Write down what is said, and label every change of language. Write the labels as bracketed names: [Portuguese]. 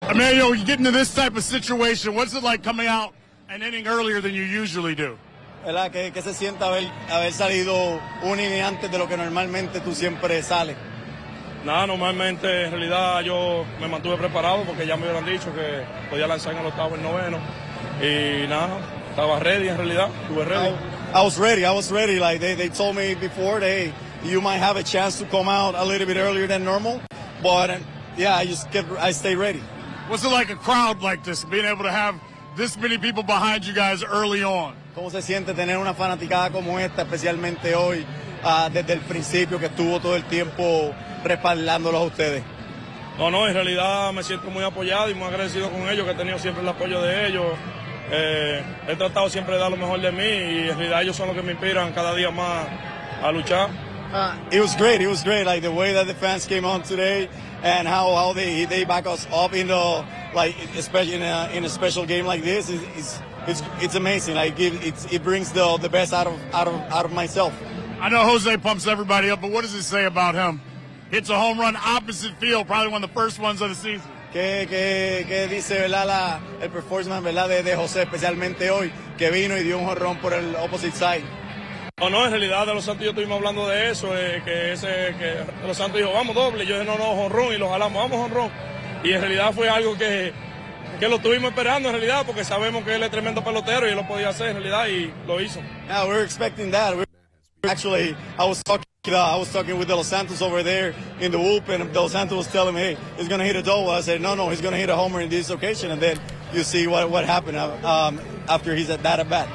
[English] Emmanuel, you get into this type of situation, what's it like coming out an inning earlier than you usually do? [Spanish] ¿Qué se siente haber salido un inning antes de lo que normalmente tú siempre sales? Nada, normalmente en realidad yo me mantuve preparado porque ya me hubieran dicho que podía lanzar en el octavo y el noveno. Y nada, estaba ready en realidad, estuve ready. [English] I was ready. Like they told me before, hey, you might have a chance to come out a little bit earlier than normal. But yeah, I stayed ready. What's it like a crowd like this, being able to have this many people behind you guys early on? [Spanish] ¿Cómo se siente tener una fanaticada como esta, especialmente hoy, desde el principio, que estuvo todo el tiempo respaldándolos a ustedes? No, en realidad me siento muy apoyado y muy agradecido con ellos, que he tenido siempre el apoyo de ellos. He tratado siempre de dar lo mejor de mí y en realidad ellos son los que me inspiran cada día más a luchar. [English] It was great, like the way that the fans came on today and how they back us up in the, like, especially in a special game like this, it's amazing. It brings the best out of myself. I know Jose pumps everybody up, but what does it say about him? Hits a home run opposite field, probably one of the first ones of the season. [Spanish] ¿Qué dice, verdad, el performance, verdad, de José, especialmente hoy, que vino y dio un jonrón por el [English] opposite side? [Spanish] No, en realidad, de los Santos yo estuvimos hablando de eso, que de los Santos dijo, vamos, doble. Yo dije, no, jonrón, y lo jalamos, vamos, jonrón. Y en realidad fue algo que lo estuvimos esperando, en realidad, porque sabemos que él es tremendo pelotero y él lo podía hacer, en realidad, y lo hizo. [English] Yeah, we were expecting that. I was talking with De Los Santos over there in the whoop, and De Los Santos was telling me, hey, he's going to hit a double. I said, no, he's going to hit a homer in this occasion. And then you see what happened after he's at bat.